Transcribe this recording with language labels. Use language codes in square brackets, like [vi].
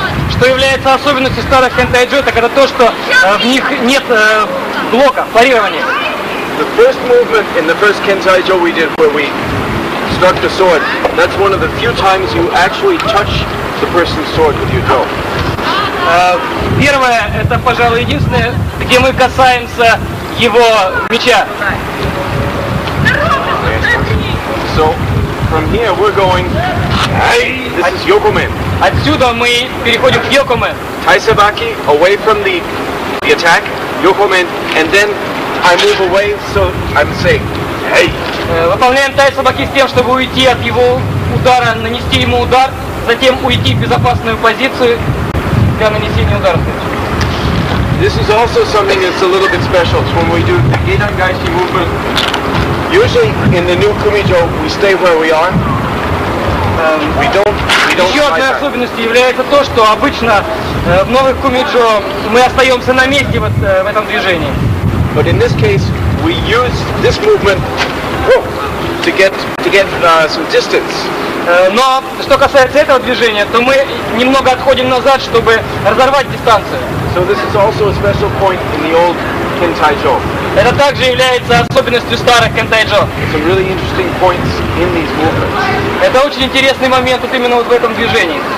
[ru] Что является особенностью старых кентайджо, так это то, что в них нет блока, парирования. [en] The first movement in the first kentaijo we did where we struck the sword, that's one of the few times you actually touch the person's sword with your toe. [ru] Первое, это, пожалуй, единственное, где мы касаемся его меча. [en] So, from here we're going, hey, this is Yokomen. [ru] Отсюда мы переходим к Yokomen. [en] Taisabaki, away from the attack, Yokomen, and then I move away, so I'm safe. Hey. [ru] Выполняем Taisabaki с тем, чтобы уйти от его удара, нанести ему удар, затем уйти в безопасную позицию для нанесения удара. [en] This is also something that's a little bit special. It's when we do the Gidangaishi movement. Usually in the new kumijo we stay where we are. We don't. [ru] Еще одна особенность является то, что обычно в новых кумиджо мы остаемся на месте вот в этом движении. [en] But in this case we use this movement to get some distance. [ru] Но что касается этого движения, то мы немного отходим назад, чтобы разорвать дистанцию. [en] So this is also a special point in the old kentaijo. [ru] Это также является особенностью старых кентайджо. [en] Some really interesting points in these movements. [ru] Это очень интересный момент вот именно вот в этом движении.